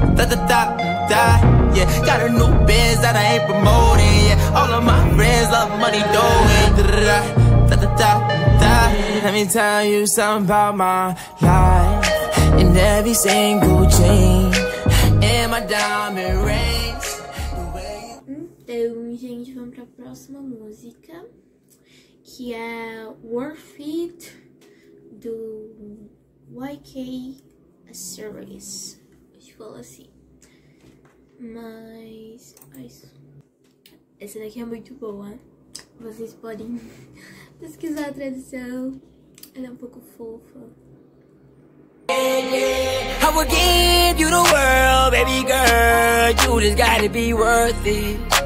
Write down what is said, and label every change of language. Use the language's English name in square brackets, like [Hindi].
[English] Yeah, got a new biz that I ain't promoting. Yeah, all of my friends love money doing. Let me tell you something about my life. And every single chain in my diamond rings. [Portuguese] Então, gente, vamos pra próxima música. Que é Worth It, do YK Series. Deixa eu falar assim. Mas, essa daqui é muito boa. Vocês podem pesquisar a tradução. Ela é um pouco fofa. [English] I will give you the world, baby girl. You just gotta be worth it.